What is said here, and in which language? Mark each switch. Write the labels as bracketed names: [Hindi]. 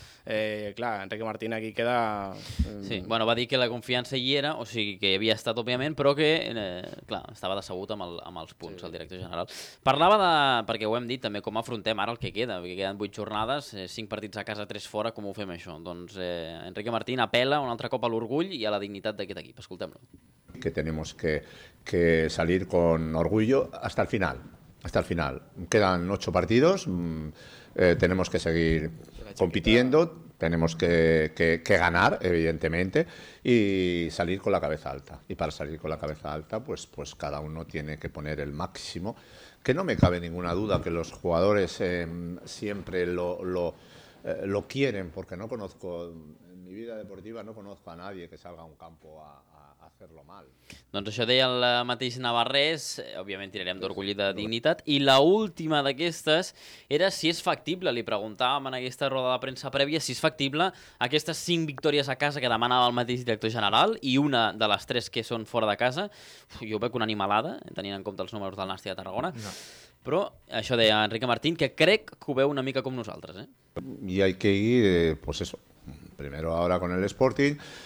[Catalan] Clar, Enrique Martín aquí queda... Sí, va dir que la confiança hi era, o sigui, que havia estat, òbviament, però que, estava decebut amb els punts, sí. El director general. Parlava de, perquè ho hem dit, també com afrontem ara el que queda, perquè queden 8 jornades, 5 partits a casa, 3 fora, com ho fem això? Doncs Enrique Martín apela un altre cop a l'orgull i a la dignitat d'aquest equip. Escoltem-lo. [Spanish] Que tenemos que salir con orgullo hasta el final. Hasta el final. Quedan 8 partidos, tenemos que seguir compitiendo, tenemos que ganar, evidentemente, y salir con la cabeza alta. Y para salir con la cabeza alta, pues cada uno tiene que poner el máximo. Que no me cabe ninguna duda que los jugadores siempre lo quieren, porque no conozco, en mi vida deportiva no conozco a nadie que salga a un campo [Catalan] a fer-lo mal. Doncs això deia el mateix Navarrés, òbviament tirarem d'orgull i de dignitat, i l'última d'aquestes era si és factible, li preguntàvem en aquesta roda de premsa prèvia, si és factible aquestes 5 victòries a casa que demanava el mateix director general i una de les 3 que són fora de casa. Jo veig una animalada, tenint en compte els números del Nàstic de Tarragona. No. Però això deia Enrique Martín, que crec que ho veu una mica com nosaltres. [Spanish] I hay que ir, pues eso, primero ahora con el Sporting.